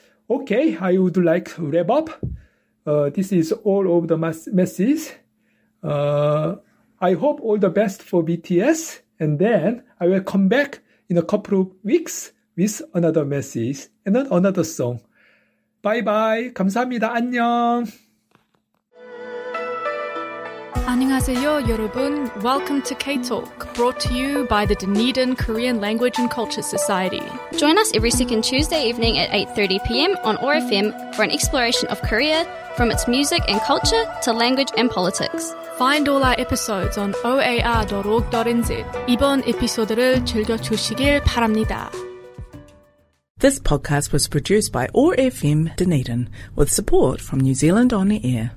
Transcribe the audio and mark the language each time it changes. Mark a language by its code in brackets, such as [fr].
[en] Okay, I would like to wrap up. This is all of the messages. I hope all the best for BTS. And then I will come back in a couple of weeks with another message and then another song. Bye-bye. [ko] 감사합니다. 안녕. 안녕하세요, 여러분. [en] Welcome to K-Talk, brought to you by the Dunedin Korean Language and Culture Society. Join us every second Tuesday evening at 8:30 p.m. on ORFM for an exploration of Korea, from its music and culture to language and politics. Find all our episodes on oar.org.nz. [ko] 이번 에피소드를 즐겨주시길 바랍니다. [en] This podcast was produced by ORFM Dunedin with support from New Zealand On Air.